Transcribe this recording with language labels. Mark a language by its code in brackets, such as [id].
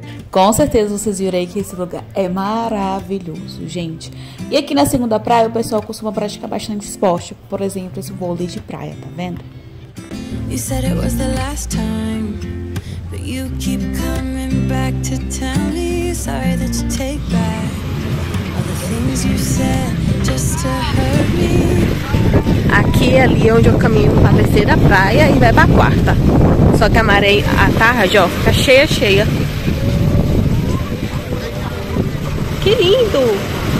[pt] Com certeza vocês viram aí que esse lugar é maravilhoso, gente. E aqui na segunda praia o pessoal costuma praticar bastante esporte. Por exemplo, esse vôlei de praia, tá vendo? [en] You said it was the last time, but you keep coming back to tell me. Sorry that you take back all the things you said just to hurt me. [pt] Aqui e ali é onde eu caminho pra terceira praia e vai pra quarta. Só que a maré à tarde, ó, fica cheia, cheia. Que lindo!